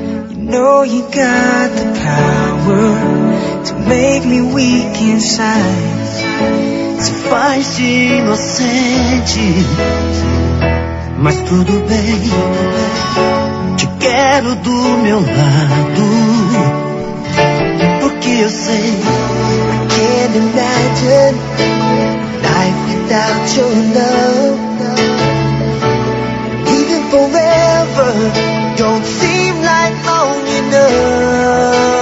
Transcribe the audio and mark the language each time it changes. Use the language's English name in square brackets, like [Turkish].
[English] You know you got the power to make me weak inside. [Portuguese] Se faz de inocente, mas tudo bem. Te quero do meu lado, porque eu sei. [English] I can't imagine life without your love. Even forever don't seem like long enough.